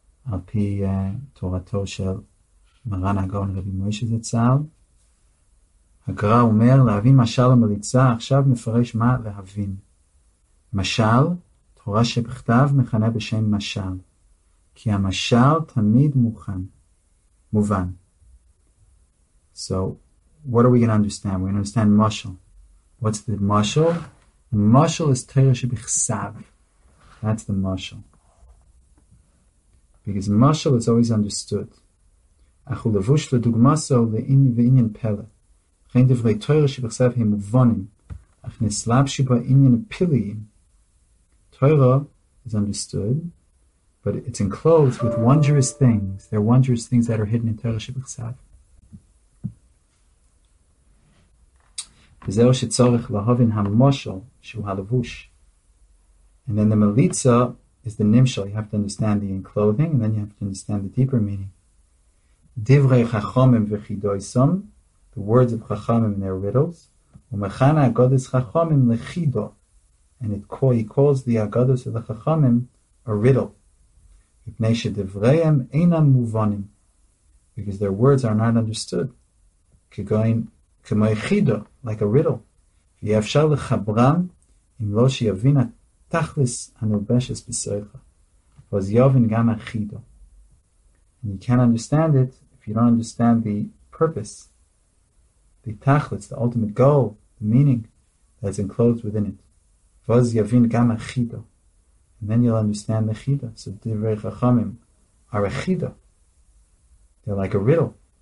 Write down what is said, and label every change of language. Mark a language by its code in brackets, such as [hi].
[he] Al pi Torato shel מרן הגאון רבי מוישה זצ"ל. הגר"א אומר להבין משל המליצה, עכשיו מפרש מה להבין. משל, תורה שבכתב מכנה בשם משל, כי המשל תמיד מוכן, מובן. [en] So, what are we going to understand? We're going to understand משל. What's the משל? The משל is תורה שבכתב. That's the משל. Because משל is always understood. [he] אך הוא לבוש לדוגמסו ועניין פלא. וכן דברי תורה שבכתב הם מובנים, אך נסלבשו בעניין פלאים. [en] תורה is understood, but it's enclosed with wondrous things. There are wondrous things that are hidden in תורה שבכתב. [he] וזהו שצורך להבין המושל, שהוא הלבוש. [en] And then the מליצה is the נמשל. You have to understand the enclosing, and then you have to understand the deeper meaning. [he] דברי חכמים וחידויסם, [en] the words of חכמים and their riddles, [he] ומכאן האגדות חכמים לחידו, [en] and it call, he calls the אגדות of the חכמים a riddle, [he] מפני שדבריהם אינם מובנים, [en] because their words are not understood, [he] כגון, כמו חידו, [en] like a riddle, [he] ויהיה אפשר לחברם, אם לא שיבין התכלס הנובשת בסריך, ואז יבין גם החידו. [en] And you can't understand it if you don't understand the purpose, the tachlitz, the ultimate goal, the meaning that's enclosed within it. [he] Vaz yavin gam achido. [en] And then you'll understand the chido. So divrei chachamim are a chido. They're like a riddle.